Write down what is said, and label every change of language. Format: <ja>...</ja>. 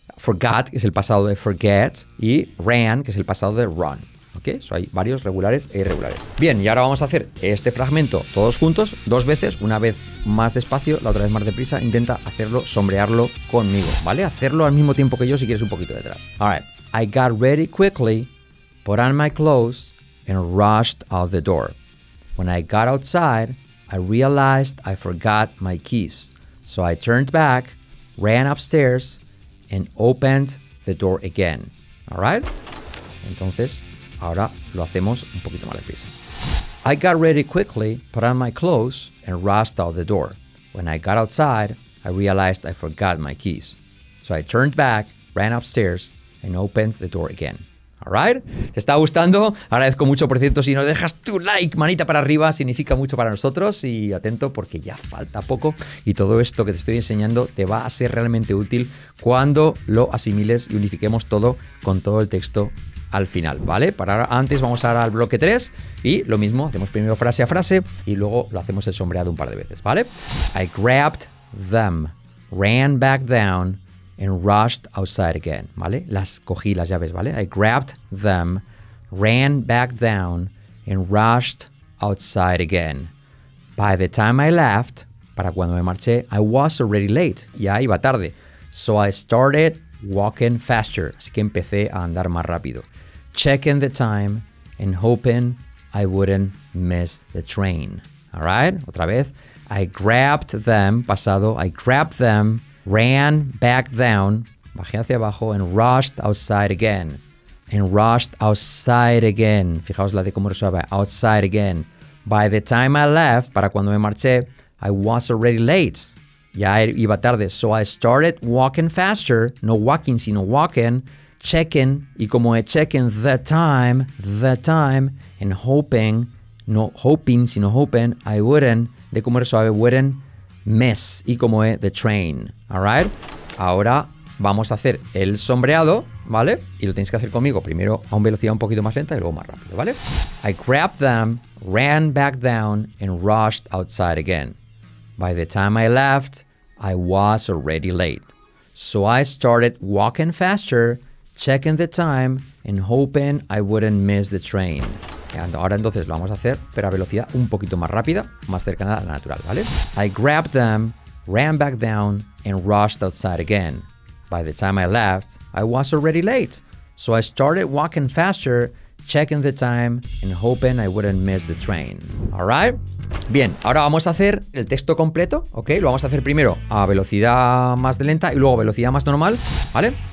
<es>Forgot, que es el pasado de forget, y ran, que es el pasado de run.</es> <en>Okay, so</en> <es>hay varios regulares e irregulares. Bien, y ahora vamos a hacer este fragmento todos juntos, dos veces, una vez más despacio, la otra vez más deprisa. Intenta hacerlo, sombrearlo conmigo, ¿vale? Hacerlo al mismo tiempo que yo si quieres un poquito detrás.</es> <en>All right. I got ready quickly, put on my clothes, and rushed out the door. When I got outside, I realized I forgot my keys. So I turned back, ran upstairs, and opened the door again. All right?</en> <es>Entonces, ahora lo hacemos un poquito más deprisa.</es> <en>I got ready quickly, put on my clothes, and rushed out the door. When I got outside, I realized I forgot my keys. So I turned back, ran upstairs, and opened the door again. All right?</en> <es>¿Te está gustando? Agradezco mucho, por cierto, si nos dejas tu like, manita para arriba, significa mucho para nosotros. Y atento, porque ya falta poco. Y todo esto que te estoy enseñando te va a ser realmente útil cuando lo asimiles y unifiquemos todo con todo el texto al final, ¿vale? Para antes vamos ahora al bloque 3 y lo mismo, hacemos primero frase a frase y luego lo hacemos el sombreado un par de veces, ¿vale?</es> <en>I grabbed them, ran back down and rushed outside again,</en> <es>¿vale? Las cogí las llaves, ¿vale?</es> <en>I grabbed them, ran back down and rushed outside again. By the time I left,</en> <es>para cuando me marché,</es> <en>I was already late,</en> <es>ya iba tarde.</es> <en>So I started walking faster,</en> <es>así que empecé a andar más rápido.</es> <en>Checking the time and hoping I wouldn't miss the train. All right,</en> <es>otra vez.</es> <en>I grabbed them, pasado. I grabbed them, ran back down,</en> <es>bajé hacia abajo,</es> <en>and rushed outside again. And rushed outside again.</en> <es>Fijaos la de cómo resuelve.</es> <en>Outside again. By the time I left, para cuando me marché, I was already late. Ya iba tarde. So I started walking faster. No walking, sino walking. Checking.</en> <es>Y como he</es> <en>checking the time. And hoping.</en> <es>No hoping, sino hoping.</es> <en>I wouldn't.</en> <es>De como suave.</es> <en>Wouldn't miss.</en> <es>Y como he</es> <en>the train. All right.</en> <es>Ahora vamos a hacer el sombreado. ¿Vale? Y lo tenéis que hacer conmigo. Primero a una velocidad un poquito más lenta y luego más rápido. ¿Vale?</es> <en>I grabbed them, ran back down, and rushed outside again. By the time I left, I was already late. So I started walking faster, checking the time, and hoping I wouldn't miss the train.</en> <es>And ahora entonces lo vamos a hacer, pero a velocidad un poquito más rápida, más cercana a la natural, ¿vale?</es> <en>I grabbed them, ran back down, and rushed outside again. By the time I left, I was already late. So I started walking faster, checking the time, and hoping I wouldn't miss the train. All right?</en> <es>Bien, ahora vamos a hacer el texto completo, ¿ok? Lo vamos a hacer primero a velocidad más de lenta y luego a velocidad más normal, ¿vale?</es>